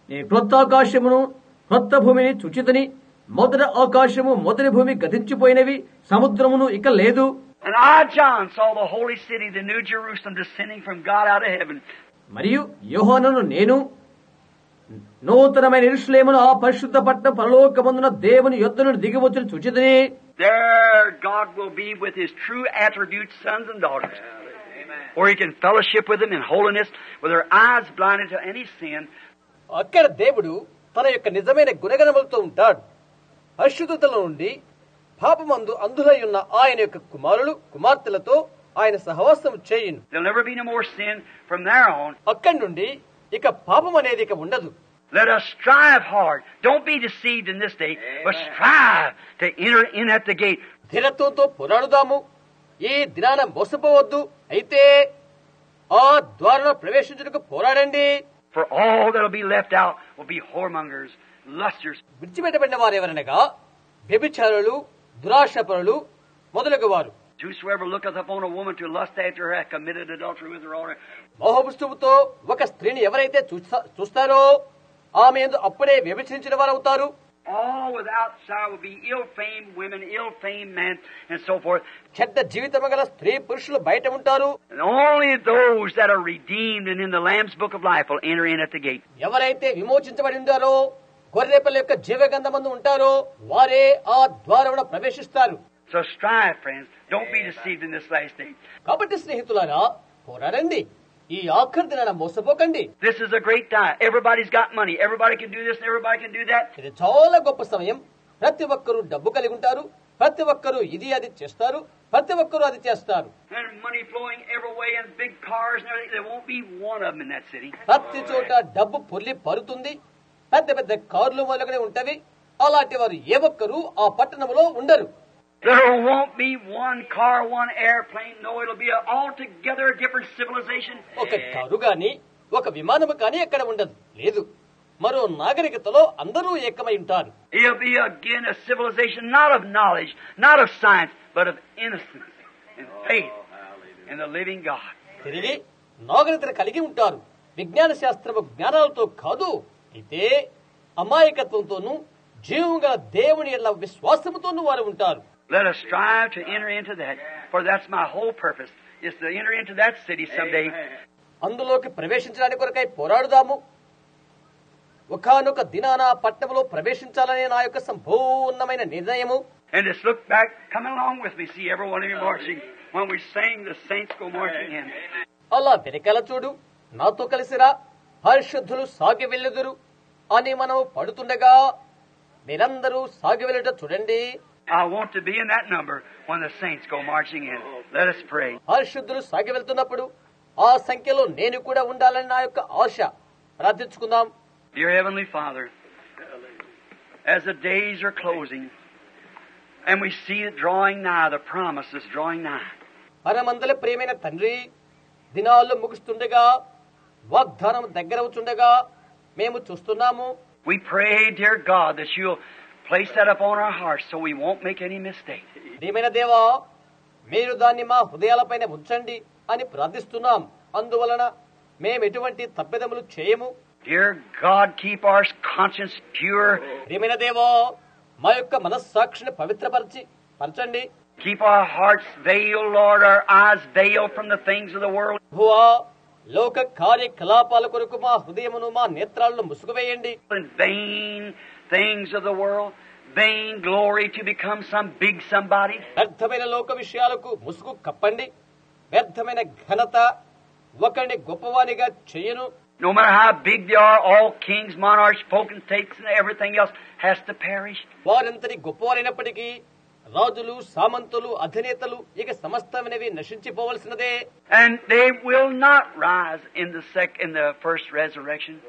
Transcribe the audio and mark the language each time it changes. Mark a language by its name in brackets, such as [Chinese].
[Telugu] ఈ కొత్త ఆకాశమును కొత్త భూమిని చూచితిని, మొదటి ఆకాశము మొదటి భూమి గతించిపోయినవి, సముద్రమును ఇక లేదు. [English] And I, John, saw the holy city, the new Jerusalem, descending from God out of heaven. [Telugu] మరియు యోహానును నేను నూతనమైన యెరూషలేమును ఆ పరిశుద్ధ పట్టణ పరలోకమందున దేవుని యొద్దను దిగివచ్చిన చూచితిని. [English] There God will be with his true attributes, sons and daughters. Or he can fellowship with them in holiness, with their eyes blinded to any sin. [Telugu] అక్కడ దేవుడు తన యొక్క నిజమైన గుణగణములతో ఉంటాడు. పరిశుద్ధతల నుండి పాపమందు అంధులై ఉన్న ఆయన యొక్క కుమారులు కుమార్తెలతో ఆయన సహవాసం చేయును. [English] There'll never be no more sin from there on. [Telugu] అక్కడి నుండి ఇక పాపం అనేది ఇక ఉండదు. [English] Let us strive hard. Don't be deceived in this day, but strive to enter in at the gate. [Telugu] ధీరత్వంతో పోరాడుదాము, ఈ దినాన మోసపోవద్దు. అయితే ఆ ద్వారంలో ప్రవేశించడానికి పోరాడండి. [English] For all that will be left out will be whoremongers, lusters. [Telugu] విడిచిపెట్టబడిన వారు ఎవరనగా వ్యభిచారులు, దురాశపరులు మొదలగు వారు. [English] Whosoever looketh upon a woman to lust after her hath committed adultery with her already. [Telugu] మోహపుష్టముతో ఒక స్త్రీని ఎవరైతే చూస్తారో ఆమె యందు అప్పుడే వ్యభిచించిన వారు అవుతారు. [English] All without shall be ill-famed women, ill-famed men, and so forth. [Telugu] చెడ్డ జీవితమగల స్త్రీ పురుషులు బయట ఉంటారు. [English] Only those that are redeemed and in the Lamb's book of life will enter in at the gate. [Telugu] ఎవరైతే విమోచించబడిందారో గొర్రెపిల్ల యొక్క జీవగంధమందు ఉంటారో వారే ఆ ద్వారమున ప్రవేశిస్తారు. [English] So strive, friends. Don't be deceived in this last day. [Telugu] కాబట్టి స్నేహితులారా పోరాడండి. ఈ ఆఖరి దినాన మోసపోకండి. [English] This is a great time. Everybody's got money. Everybody can do this and everybody can do that. [Telugu] ఇది చాలా గొప్ప సమయం. ప్రతి ఒక్కరూ డబ్బు కలిగి ఉంటారు. ప్రతి ఒక్కరూ ఇది అది చేస్తారు. ప్రతి ఒక్కరూ అది చేస్తారు. [English] And money flowing every way and big cars and everything. There won't be one of them in that city. [Telugu] ప్రతి చోట డబ్బు పొర్లి పరుతుంది. పెద్ద పెద్ద కార్లు మొదలుగునే ఉంటవి. అలాంటి వారు ఏ ఒక్కరూ ఆ పట్టణంలో ఉండరు. [English] There won't be one car, one airplane. No, it'll be an altogether different civilization. [Telugu] ఒక కారు గాని ఒక విమానము గాని అక్కడ ఉండదు. లేదు, మరో నాగరికతలో అందరూ ఏకమై ఉంటారు. [English] It'll be again a civilization not of knowledge, not of science, but of innocence and faith in the living God. [Telugu] తిరిగి నాగరికతను కలిగి ఉంటారు. విజ్ఞాన శాస్త్రము జ్ఞానాలతో కాదు, అయితే అమాయకత్వంతోనూ జీవంగా దేవుని యొక్క విశ్వాసముతోనూ వారు ఉంటారు. [English] Let us strive to enter into that, for that's my whole purpose, is to enter into that city someday. [Telugu] అందులోకి ప్రవేశించడానికి కొరకై పోరాడుదాము. ఒకానొక దినాన పట్టణములో ప్రవేశించాలనే నా యొక్క సంపూర్ణమైన నిర్ణయము. [English] And just look back, come along with me, see every one of you marching, when we sang the saints go marching in. [Telugu] అలా వెనకాల చూడు, నాతో కలిసిరా, పరిశుద్ధులు సాగి వెళ్ళుదురు అని మనము పడుతుండగా మీరందరూ సాగి వెళ్ళట చూడండి. [English] I want to be in that number when the saints go marching in. Let us pray. [Telugu] పరిశుద్ధులు సాగి వెళ్తున్నప్పుడు ఆ సంఖ్యలో నేను కూడా ఉండాలని నా యొక్క ఆశ. ప్రార్థించుకుందాం. [English] Dear Heavenly Father, as the days are closing and we see it drawing nigh, the promise is drawing nigh. [Telugu] పరమందల ప్రేమైన తండ్రి, దినాలు ముగుస్తుండగా వాగ్దానం దగ్గరవుతుండగా మేము చూస్తున్నాము. [English] We pray, dear God, that you'll place that upon our hearts so we won't make any mistake. [Telugu] దేవమైన దేవా, మీరు దాన్ని మా హృదయాలపైన ఉంచండి అని ప్రార్థిస్తున్నాం. అందువలన మేము ఎటువంటి తప్పిదములు చేయము. [English] Dear God, keep our conscience pure. [Telugu] దేవమైన దేవా, మా యొక్క మనస్సాక్షిని పవిత్రపరచి పరచండి. [English] Keep our hearts veiled, Lord, our eyes veiled from the things of the world. [Telugu] లోక కార్యకలాపాల కొరకు మా హృదయమును మా నేత్రాలను మూసుకువేయండి. [English] Vain things of the world, vain glory to become some big somebody. [Telugu] వ్యర్థమైన లోక విషయాలకు ముసుగు కప్పండి. వ్యర్థమైన ఘనత ఒకరిని గొప్పవారిగా చేయను. [English] No matter how big they are, all kings, monarchs, potentates and everything else has to perish. [Telugu] వారంతటి గొప్పవారైనప్పటికీ రాజులు, సామంతులు, అధినేతలు ఇక సమస్తమైనవి నశించిపోవలసినదే. [English] And they will not rise in the first resurrection.